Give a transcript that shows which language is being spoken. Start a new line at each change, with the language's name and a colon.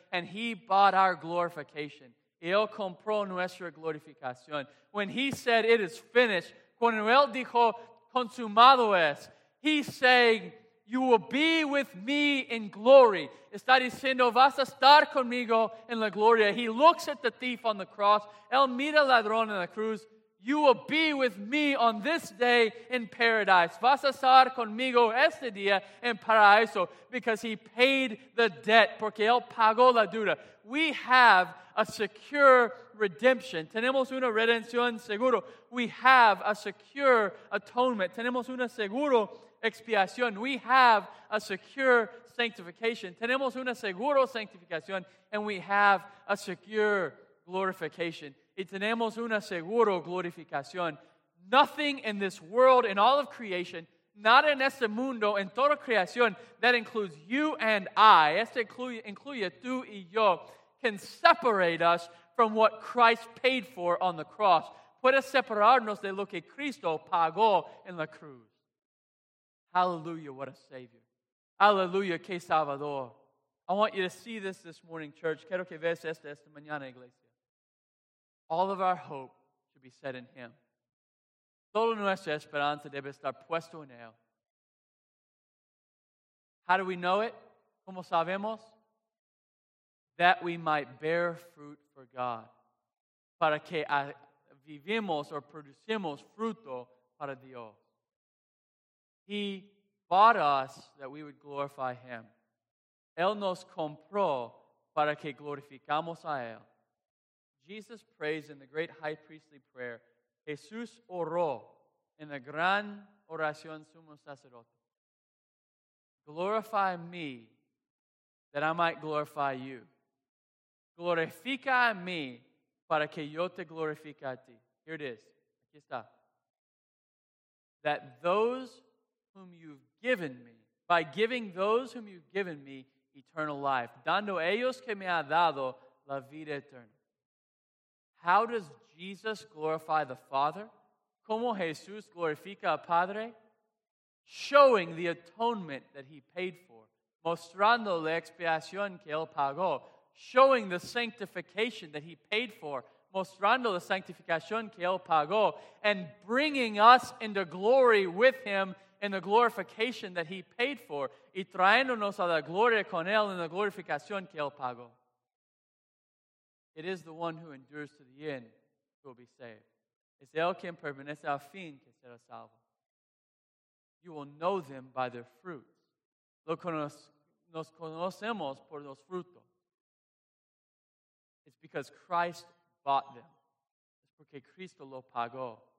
English: And he bought our glorification.
Spanish: Él compró nuestra glorificación.
English: When he said, it is finished,
Spanish: cuando él dijo, consumado es,
English: he's saying, you will be with me in glory.
Spanish: Está diciendo, vas a estar conmigo en la gloria.
English: He looks at the thief on the cross.
Spanish: Él mira al ladrón en la cruz.
English: You will be with me on this day in paradise.
Spanish: Vas a estar conmigo este día en paraíso.
English: Because he paid the debt.
Spanish: Porque él pagó la deuda.
English: We have a secure redemption.
Spanish: Tenemos una redención seguro.
English: We have a secure atonement.
Spanish: Tenemos una seguro expiación.
English: We have a secure sanctification.
Spanish: Tenemos una seguro sanctificación.
English: And we have a secure glorification.
Spanish: Y tenemos una segura glorificación.
English: Nothing in this world, in all of creation,
Spanish: nada en este mundo, en toda creación,
English: that includes you and I,
Spanish: este incluye tú y yo,
English: can separate us from what Christ paid for on the cross.
Spanish: Puede separarnos de lo que Cristo pagó en la cruz.
English: Hallelujah, what a Savior. Hallelujah,
Spanish: que Salvador.
English: I want you to see this morning, church.
Spanish: Quiero que veas esta mañana, iglesia.
English: All of our hope should be set in Him.
Spanish: Toda nuestra esperanza debe estar puesto en Él.
English: How do we know it?
Spanish: ¿Cómo sabemos?
English: That we might bear fruit for God.
Spanish: Para que vivimos o producimos fruto para Dios.
English: He bought us that we would glorify Him.
Spanish: Él nos compró para que glorificamos a Él.
English: Jesus prays in the great high priestly prayer.
Spanish: Jesús oró en la gran oración sumo sacerdote.
English: Glorify me that I might glorify you.
Spanish: Glorifica a mí para que yo te glorifique a ti.
English: Here it is.
Spanish: Aquí está.
English: That those whom you've given me, by giving those whom you've given me eternal life,
Spanish: dando ellos que me ha dado la vida eterna.
English: How does Jesus glorify the Father?
Spanish: ¿Cómo Jesús glorifica al Padre?
English: Showing the atonement that He paid for.
Spanish: Mostrando la expiación que Él pagó.
English: Showing the sanctification that He paid for.
Spanish: Mostrando la sanctificación que Él pagó.
English: And bringing us into glory with Him in the glorification that He paid for.
Spanish: Y traéndonos a la gloria con Él en la glorificación que Él pagó.
English: It is the one who endures to the end who will be saved.
Spanish: Es el quien permanece al fin que será salvo.
English: You will know them by their fruits.
Spanish: Nos conocemos por los frutos.
English: It's because Christ bought them.
Spanish: Es porque Cristo lo pagó.